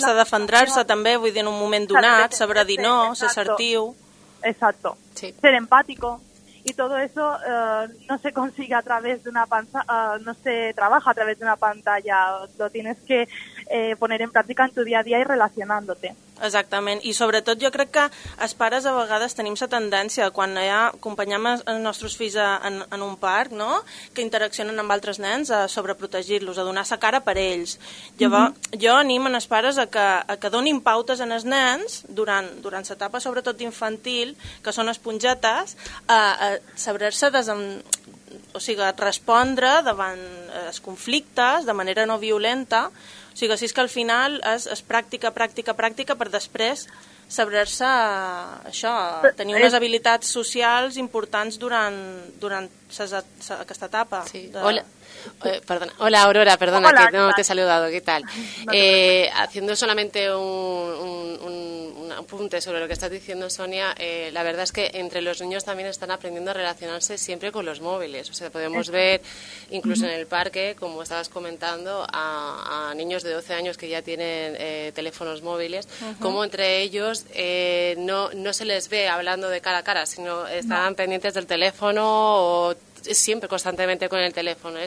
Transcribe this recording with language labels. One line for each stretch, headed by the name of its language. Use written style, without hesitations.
Catalan: Saber-se defendre-se també, vull dir, en un moment donat, saber dir no, ser assertiu...
Spanish: Exacto, sí. Ser empático. Y todo eso no se consigue a través de una no se trabaja a través de una pantalla, lo tienes que poner en práctica en tu día a día y relacionándote.
Catalan: Exactament, i sobretot jo crec que els pares a vegades tenim la tendència, quan ja acompanyem els nostres fills en un parc, no?, que interaccionen amb altres nens, a sobreprotegir-los, a donar la cara per ells. Llavors, jo animo els pares a que donin pautes en els nens, durant l'etapa sobretot infantil, que són esponjetes, a saber-se a respondre davant els conflictes de manera no violenta. O sigui, si és que al final és pràctica, pràctica, pràctica, per després saber-se això, tenir unes habilitats socials importants durant aquesta etapa. Sí.
Spanish: Hola, Aurora, perdona, hola, que no te he saludado, ¿qué tal? Haciendo solamente un apunte sobre lo que estás diciendo, Sonia, la verdad es que entre los niños también están aprendiendo a relacionarse siempre con los móviles. O sea, podemos ver, incluso en el parque, como estabas comentando, a niños de 12 años que ya tienen teléfonos móviles, como entre ellos no se les ve hablando de cara a cara, sino están pendientes del teléfono o siempre constantemente con el teléfono.